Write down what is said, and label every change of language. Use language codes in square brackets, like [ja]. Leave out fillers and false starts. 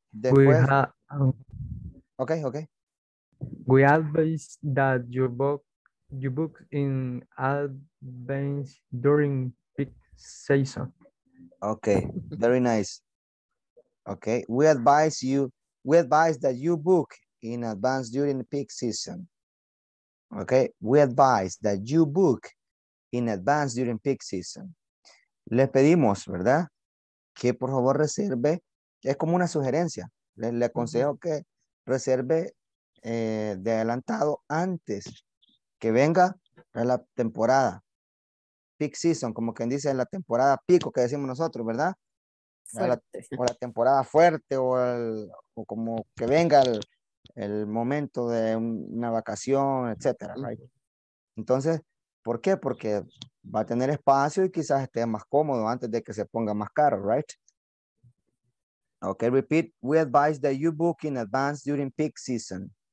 [en] We advise that you book in advance during peak season. Okay, very nice. Okay, we advise that you book in advance during the peak season. Okay, we advise that you book in advance during peak season. [es] Le pedimos, ¿verdad? Que por favor reserve, es como una sugerencia. Le aconsejo que reserve de adelantado antes que venga la temporada. Peak season, como quien dice, la temporada pico que decimos nosotros, ¿verdad? O la temporada fuerte o como que venga el momento de una vacación, etcétera, right? Entonces, ¿por qué? Porque va a tener espacio y quizás esté más cómodo antes de que se ponga más caro, right? [en] Okay, repeat. We advise that you book in advance during peak season.